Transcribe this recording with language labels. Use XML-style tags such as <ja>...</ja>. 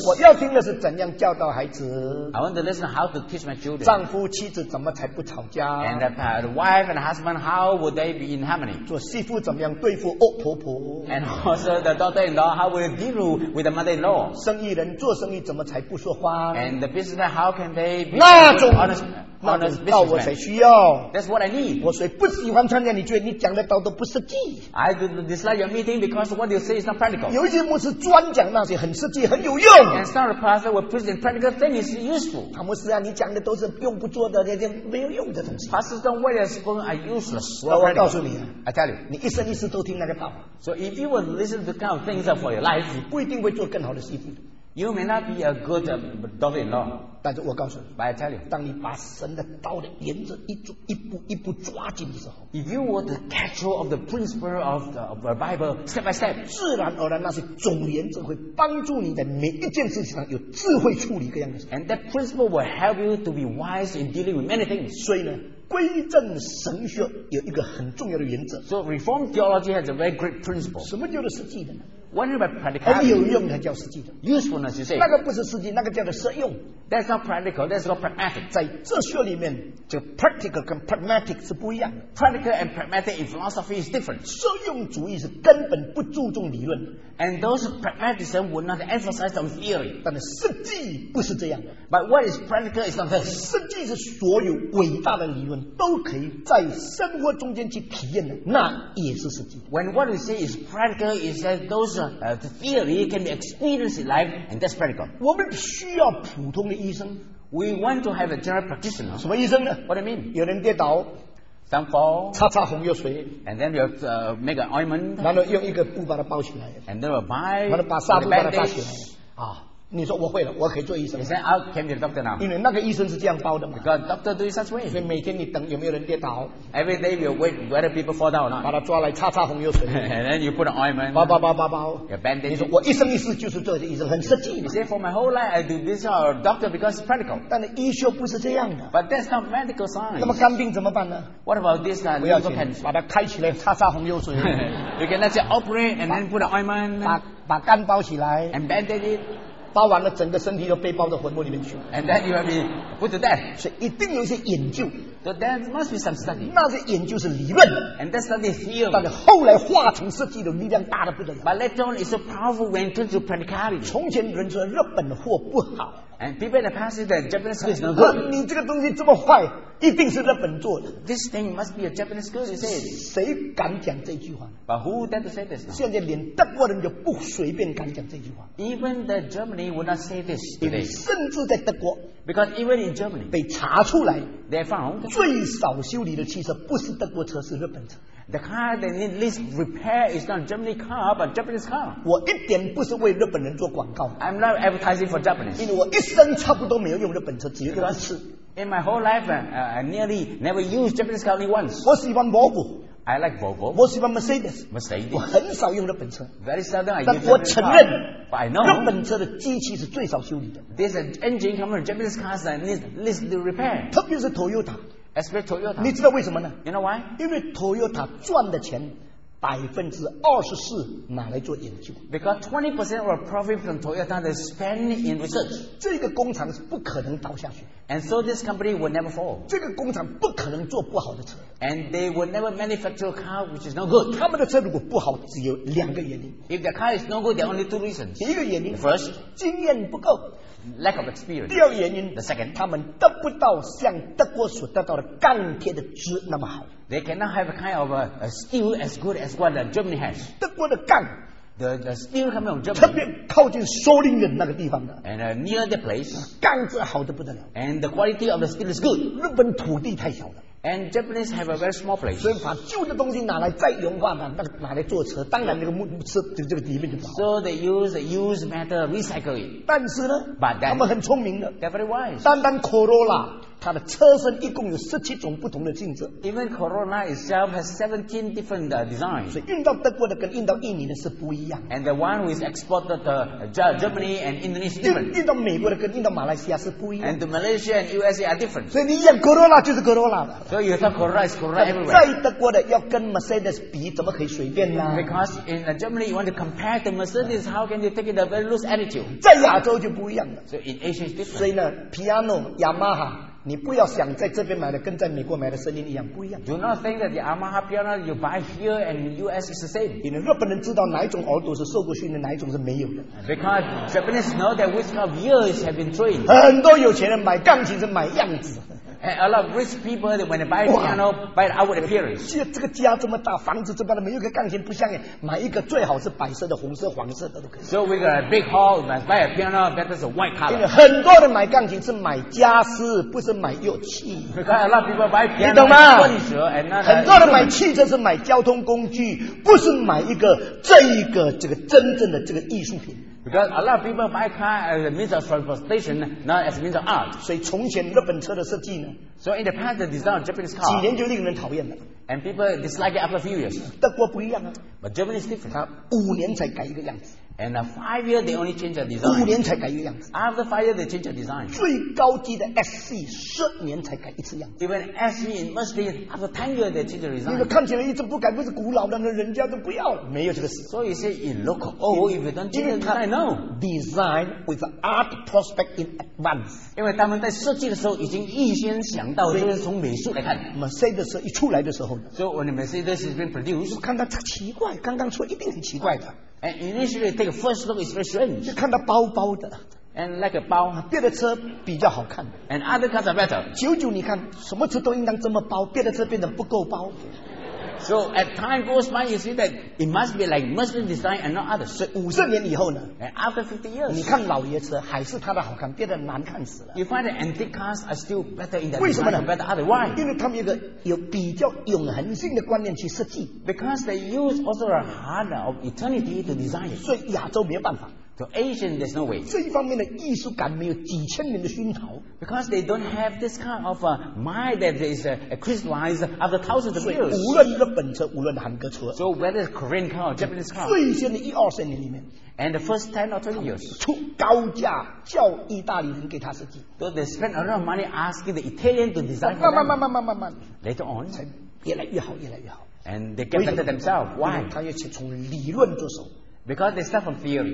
<zh>我要听的是怎样教导孩子。</zh> <en>I want to listen how to teach my children.</en> <zh>丈夫妻子怎么才不吵架。</zh> <en>And the wife and husband, how would they be in harmony?</en> <zh>做媳妇怎么样对付恶婆婆。</zh> <en>And also the daughter-in-law, how would they deal with the mother-in-law?</en> <zh>生意人做生意怎么才不说话。</zh> <en>And the business, how can they be honest?</en> <zh>那道我才需要。</zh> <en>That's what I need.</en> <zh>我所以不喜欢参加你聚会，你讲的道都不实际。</zh> <en>I dislike your meeting because what you say is not practical.</en> <zh>有一些牧师专讲那些很实际、很有用。</zh> <en>And some of the pastors will present practical things is useful.</en> <zh>唐牧师啊，你讲的都是用不做的那些没有用的东西。</zh> <en>Pastors don't what you spoken are useless.</en> <zh>我告诉你啊</zh> <en>，I tell you，</en> <zh>你一生一世都听那个道。</zh> <en>So if you will listen to kind of things for your life，</en> <zh>你不一定会做更好的媳妇。</zh> <en>You may not be a good daughter-in-law.</en> <zh>但是我告诉你</zh> <en>，But I tell you，</en> <zh>当你把神的道的原则一步一步一步抓紧的时候</zh> <en>，If you were the catch of the principle of the Bible step by step，</en> <zh>自然而然那些总原则会帮助你在每一件事情上有智慧处理各样的事。</zh> <en>And that principle will help you to be wise in dealing with many things.</en> <zh>所以呢？归正神学有一个很重要的原则。</zh> <en>So Reformed theology has a very great principle.</en> <zh>什么叫做实际的呢</zh> <en>？What is about practical?</en> <zh>很有用才叫实际的。</zh> <en>Usefulness, you say.</en> <zh>那个不是实际，那个叫做实用。</zh> <en>That's not practical. That's not pragmatic.</en> <zh>在哲学里面，这个 practical 跟 pragmatic 是不一样的。</zh> <en>Practical and pragmatic in philosophy is different.</en> <zh>实用主义是根本不注重理论。</zh> <en>And those pragmatism would not emphasize on theory.</en> <zh>但是实际不是这样的。</zh> <en>But what is practical is not this.</en> <zh>实际是所有伟大的理论。都可以在生活中间去体验的，那也是实际。</zh> <en>When what we say is practical is that those the theory can be experienced in life and that's practical.</en> <zh>我们需要普通的医生。</zh> <en>We want to have a general practitioner.</en> <zh>什么医生呢</zh> <en>？What I mean?</en> <zh>有人跌倒</zh> <en>，some fall，</en> <zh>擦擦红药水</zh> <en>，and then you make an ointment，</en> <zh>然后用一个布把它包起来</zh> <en>，and then we buy，</en> <zh>然后把纱布把它包起来。啊，你说我会了，我可以做医生。</zh> <en>He said, I can be a doctor now.</en> <zh>因为那个医生是这样包的嘛。</zh> <en>Because doctor do it such way.</en> <zh>所以每天你等有没有人跌倒。</zh> <en>Every day you wait whether people fall down or not.</en> <zh>把他抓来擦擦红油水。</zh> <en>And then you put an ointment.</en> <zh>包包包包包。</zh> <en>You bandage.</en> <zh>你说我一生一世就是做医生，很实际。</zh> <en>He said, for my whole life I do this or doctor because it's practical.</en> <zh>但是医学不是这样的。</zh> <en>But that's not medical science.</en> <zh>那么肝病怎么办呢？</zh> <en>What about this kind of cancer?</en> <zh>不要紧，把它开起来擦擦红油水。</zh> <en>You can let's say operate and then put an ointment.</en> <zh>把肝包起来。</zh> <en>And bandage it.</en> <zh>包完了，整个身体都被包到坟墓里面去。</zh> <en>And then you will be put to death.</en> <zh>所以一定有一些研究。</zh> <en>So there must be some study.</en> <zh>那些研究是理论。</zh> <en>And that study is theory.</en> <zh>但是后来化成实际的力量大得不得了。</zh> <en>But later on, it's so powerful when it turns to practicality.</en> <zh>从前人说日本的货不好。</zh> <en>And people in the past said that Japanese goods is not good.</en> <zh>你这个东西这么坏，一定是日本做的。</zh> <en>This thing must be a Japanese good, you say.</en> <zh>谁敢讲这句话？</zh> <en>But who dare to say this?</en> <zh>现在连德国人就不随便敢讲这句话。</zh> <en>Even the Germany would not say this today.</en> <zh>甚至在德国。</zh> <en>Because even in Germany.</en> <zh>被查出来。</zh> <en>They found.</en> <zh>最少修理的汽车不是德国车，是日本车。</zh> <en>The car that needs least repair is not a Germany car, but a Japanese car.</en> <zh>我一点不是为日本人做广告。</zh> <en>I'm not advertising for Japanese.</en> <zh>因为我一生差不多没有用日本车，只有一次。</zh> <en>In my whole life, I nearly never used Japanese car only once.</en> <zh>我喜欢 Volvo.</zh> <en>I like Volvo.</en> <zh>我喜欢 Mercedes.</zh> <en>Mercedes.</en> <zh>我很少用日本车。</zh> <en>Very seldom I use Japanese car.</en> <zh>但我承认</zh> <en>but I know,</en> <zh>日本车的机器是最少修理的。</zh> <en>There's an engine coming from Japanese cars that needs least repair.</en> <zh>特别是 Toyota.</zh> <en>Especially Toyota.</en> <zh>你知道为什么呢？</zh> <en>You know why?</en> <zh>因为 Toyota 赚的钱24%拿来做研究。</zh> <en>Because 20% of profit from Toyota is spent in research.</en> <zh>这个工厂是不可能倒下去。</zh> <en>And so this company will never fall.</en> <zh>这个工厂不可能做不好的车。</zh> <en>And they will never manufacture a car which is no good.</en> <zh>他们的车如果不好，只有两个原因。</zh> <en>If the car is no good, there are only two reasons.</en> <zh>第一个原因</zh> <en>，First,</en> <zh>经验不够。</zh> <en>Lack of experience.</en> <zh>第二原因</zh> <en>，The second,</en> <zh>他们得不到像德国所得到的钢铁的质那么好。</zh> <en>They cannot have a kind of a steel as good as what Germany has.</en> <zh>德国的钢</zh> <en>the steel coming from Germany.</en> <zh>特别靠近 Solingen 那个地方的。</zh> <en>And near the place.</en> <zh>钢质好得不得了。</zh> <en>And the quality of the steel is good.</en> <zh>日本土地太小了。</zh> <en>And Japanese have a very small place.</en> <zh>所以把旧的东西拿来再融化，拿来做车，当然那个木车就这个里面就不好。</zh> <en>So they use the used metal, recycle it.</en> <zh>但是呢，</zh> <en>But then,</en> <zh>他们很聪明的。</zh> <en>They're very wise.</en> <zh>单单 Corolla。它的车身一共有17种不同的性质。</zh> <en>Even Corolla itself has 17 different designs.</en> <zh>所以运到德国的跟运到印尼的是不一样。</zh> <en>And the one who is exported to Germany and Indonesia is different.</en> <zh>运到美国的跟运到马来西亚是不一样。</zh> <en>And the Malaysia and USA are different.</en> <zh>所以你用 Corolla 就是 Corolla 了。</zh> <en>So you talk Corolla is Corolla everywhere.</en> <zh>在德国的要跟 Mercedes 比，怎么可以随便呢？</zh> <en>Because in Germany you want to compare the Mercedes, how can you take it a very loose attitude?</en> <zh>在亚洲就不一样了。</zh> <en>So in Asia is different.</en> <zh>所以呢 ，Piano、Yamaha。你不要想在这边买的跟在美国买的声音一样，不一样。</zh> <en>Do not think that the Yamaha piano you buy here and in US is the same.</en> <zh>因为日本人知道哪一种耳朵是受过训练，哪一种是没有的。</zh> <en>Because Japanese know that which kind of ears have been trained.</en> <zh>很多有钱人买钢琴是买样子。</zh> <en>And a lot of rich people when they buy piano by the outward appearance.</en> <zh>这个家这么大，房子这么大，没有个钢琴不像样，买一个最好是白色的、红色、黄色的都可以。</zh> <en>So we got a big hall, must buy a piano that is a white color.</en> <zh>因为很多人买钢琴是买家私，不是买乐器。</zh> <en>Because a lot of people buy piano,</en> <zh>你懂吗？混血，哎，那很多人买汽车是买交通工具，不是买一个这一个这个真正的这个艺术品。</zh> <en>Because a lot of people buy car as a means of transportation, not as a means of art.</en> <zh>所以从前日本车的设计呢？</zh> <en>So in the past, the design of Japanese car.</en> <zh>几年就令人讨厌了。</zh> <en>And people dislike it after a few years.</en> <zh>德国不一样啊。</zh> <en>But Germany is different.</en> <zh>它五年才改一个样子。</zh> <en>And a 5 years, they only change the design.</en> <zh>五年才改一个样子。</zh> <en>After 5 years, they change the design.</en> <zh>最高级的 SC 十年才改一次样子。</zh> <en>Even SC in Mercedes, after 10 years, they change the design.</en> <zh>你说看起来一直不改，不是古老的，那人家都不要了。没有这个事。</zh> <en>So you say it look old if you don't change the design. No. Design with art prospect in advance.</en> <zh>因为他们在设计的时候已经预先想到，就是从美术来看。 Mercedes 一出来的时候。</zh> <en>So when Mercedes has been produced,</en> <zh>看到这奇怪，刚刚出一定很奇怪的。</zh> <en>And initially, take a first look, it's very strange.</en> <zh>就看到包包的。</zh> <en>And like a 包。</en> <zh>别的车比较好看。</zh> <en>And other cars are better.</en> <zh>久久你看，什么车都应当这么包，别的车变得不够包。</zh> <en>So at time goes by, you see that it must be like Mercedes design and not others.</en> <zh>50年以后呢</zh> <en>？And after 50 years,</en> <zh>你看老爷车还是它的好看，变得难看死了。</zh> <en>You find that antique cars are still better in the design and better other. Why?</en> <zh>因为他们有个有比较永恒性的观念去设计。</zh> <en>Because they use also a heart of eternity to design it.</en> <zh>所以亚洲没有办法。</zh> <en>So Asian, there's no way.</en> <zh>这一方面的艺术感没有几千年的熏陶.</zh> <en>Because they don't have this kind of mind that is crystallized after thousands of years.</en> <zh>无论日本车，无论韩国车.</zh> <en>So whether it's Korean car or Japanese car,</en> <zh>最先的一二十年里面,</zh> <en>and the first 10 or 20 years,</en> <zh>出高价叫意大利人给他设计.</zh> <en>So they spent a lot of money asking the Italian to design.</en> <zh>慢慢慢慢慢慢慢.</zh> <en>Later on,</en> <zh>才越来越好，越来越好.</zh> <en>And they get better themselves. Why?</en> <zh>他要从理论着手.</zh> <en>Because they start from theory,</en>